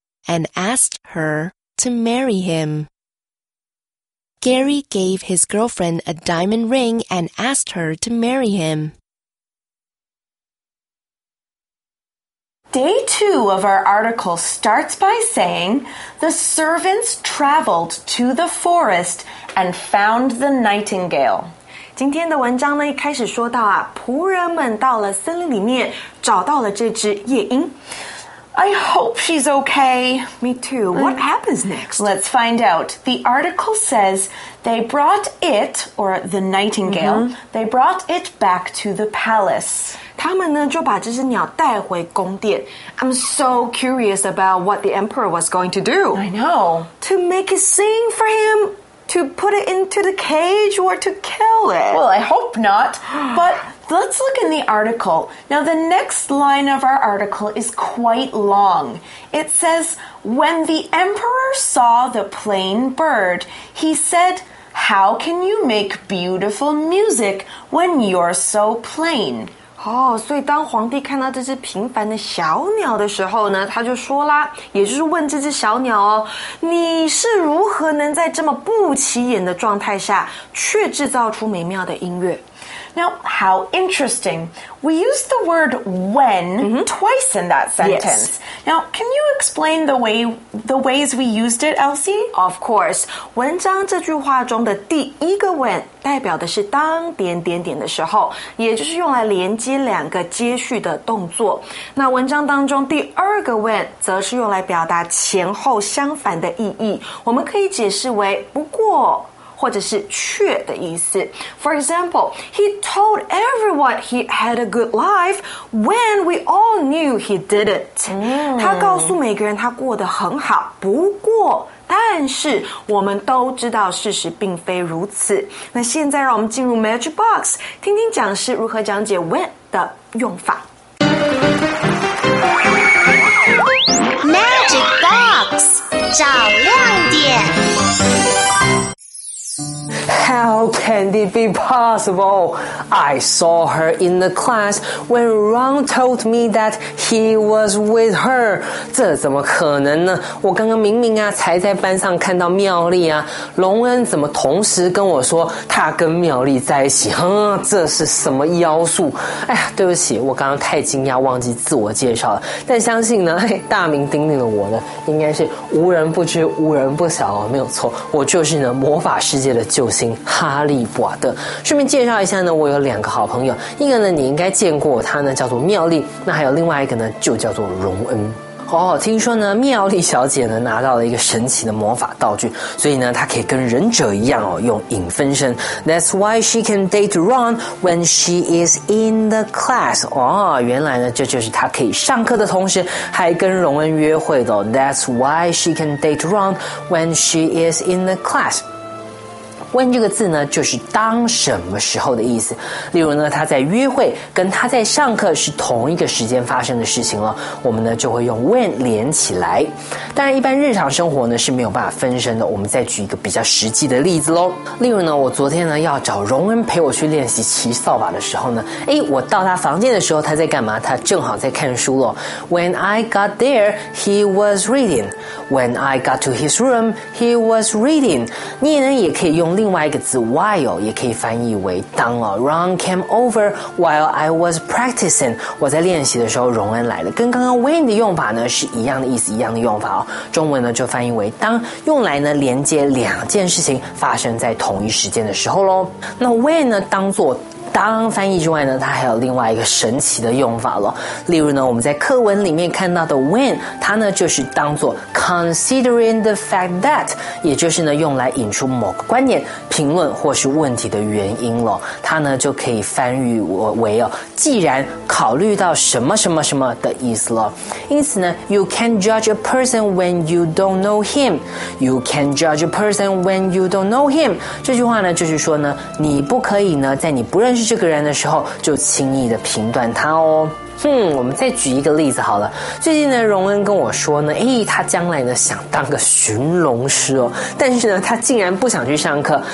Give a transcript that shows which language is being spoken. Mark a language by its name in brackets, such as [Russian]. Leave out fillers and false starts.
[English] and asked her to marry him. Gary gave his girlfriend a diamond ring and asked her to marry him. Day two of our article starts by saying, the servants traveled to the forest and found the nightingale. [Chinese] 今天的文章呢，一开始说到啊，仆人们到了森林里面，找到了这只夜莺。 [English] I hope she's okay. Me too. What happens next? Let's find out. The article says they brought it, or the nightingale, they brought it back to the palace. [Chinese] 他们呢就把这只鸟带回宫殿。 [English] I'm so curious about what the emperor was going to do. I know. To make it sing for him? To put it into the cage or to kill it? Well, I hope not. But let's look in the article. Now, the next line of our article is quite long. It says, when the emperor saw the plain bird, he said, how can you make beautiful music when you're so plain? [Chinese] 哦、oh, ，所以当皇帝看到这只平凡的小鸟的时候呢，他就说啦，也就是问这只小鸟哦，你是如何能在这么不起眼的状态下，却制造出美妙的音乐？ [English] Now, how interesting. We use the word when twice in that sentence. Yes. Now, can you explain the ways we used it, Elsie? Of course. [Chinese] 文章这句话中的第一个 when 代表的是当点点点的时候，也就是用来连接两个接续的动作。那文章当中第二个 when 则是用来表达前后相反的意义，我们可以解释为不过或者是却的意思。 [English] For example, he told everyone he had a good life when we all knew he didn't. [Chinese] 他告诉每个人他过得很好，不过，但是我们都知道事实并非如此。那现在让我们进入 Matchbox， 听听讲师如何讲解 when 的用法。 Matchbox， 找亮点。 [English] How can it be possible? I saw her in the class when Ron told me that he was with her. [Chinese] 这怎么可能呢？我刚刚明明啊，才在班上看到妙丽啊，隆恩怎么同时跟我说他跟妙丽在一起？这是什么妖术？哎呀，对不起，我刚刚太惊讶，忘记自我介绍了。但相信呢，大名鼎鼎的我呢，应该是无人不知，无人不晓啊，没有错，我就是呢魔法世界的救星。哈利波特。顺便介绍一下呢，我有两个好朋友，一个呢你应该见过，他呢叫做妙丽，那还有另外一个呢就叫做荣恩。哦，听说呢妙丽小姐呢拿到了一个神奇的魔法道具，所以呢她可以跟忍者一样哦，用影分身。 [English] That's why she can date Ron when she is in the class. [Chinese] 哦，原来呢这就是她可以上课的同时还跟荣恩约会的。 [English] That's why she can date Ron when she is in the class. [Chinese] when 这个字呢就是当什么时候的意思，例如呢他在约会跟他在上课是同一个时间发生的事情了，我们呢就会用 when 连起来。当然一般日常生活呢是没有办法分身的，我们再举一个比较实际的例子咯。例如呢我昨天呢要找荣恩陪我去练习骑扫把的时候呢，诶，我到他房间的时候他在干嘛？他正好在看书咯。 [English] When I got there he was reading. When I got to his room he was reading. [Chinese] 你呢也可以用另外一个字 while 也可以翻译为当哦。 [English] Ron came over while I was practicing. [Chinese] 我在练习的时候，荣恩来了。跟刚刚 when 的用法呢是一样的意思，一样的用法哦。中文呢就翻译为当，用来呢连接两件事情发生在同一时间的时候喽。那 when 呢当做当翻译之外呢，它还有另外一个神奇的用法了。例如呢，我们在课文里面看到的 when， 它呢就是当作 [English] considering the fact that， [Chinese] 也就是呢用来引出某个观点、评论或是问题的原因了。它呢就可以翻译为哦，既然考虑到什么什么什么的意思了。因此呢 [English] ，you can judge a person when you don't know him。 You can judge a person when you don't know him。 [Chinese] 这句话呢就是说呢，你不可以呢在你不认识这个人的时候就轻易的评断他哦。我们再举一个例子好了。最近呢，荣恩跟我说呢，他将来呢想当个寻龙师哦，但是呢，他竟然不想去上课。